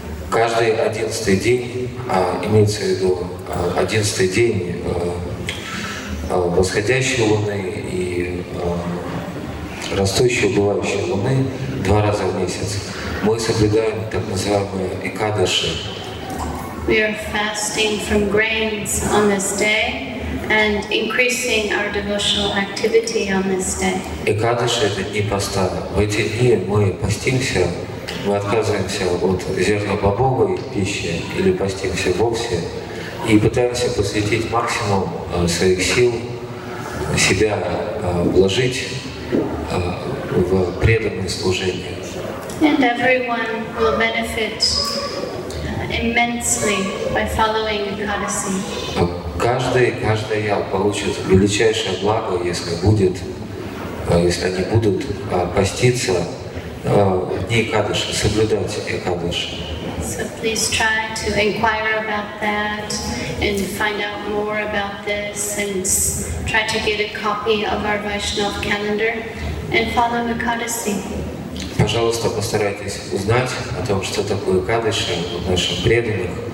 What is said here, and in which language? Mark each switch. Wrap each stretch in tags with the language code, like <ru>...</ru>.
<ru>Каждый одиннадцатый день, имеется в виду одиннадцатый день восходящей луны и растущей, убывающей луны два раза в месяц, мы соблюдаем так называемые Экадаши.</ru> <en>We are fasting from grains on this day and increasing our devotional activity on this day.</en> <ru>Экадаши — это дни поста. В эти дни мы постимся. Мы отказываемся от зернобобовой пищи или постимся вовсе и пытаемся посвятить максимум своих сил, себя вложить в преданное служение.</ru> <en>And everyone will benefit immensely by following Ekadasi.</en> <ru>Каждая получит величайшее благо, если они будут поститься дни Экадаши, соблюдать Экадаши.</ru> <en>So please try to inquire about that and find out more about this and try to get a copy of our Vaishnav calendar and follow Ekadasi.</en> <ru>Пожалуйста, постарайтесь узнать о том, что такое Экадаши в наших преданных.</ru>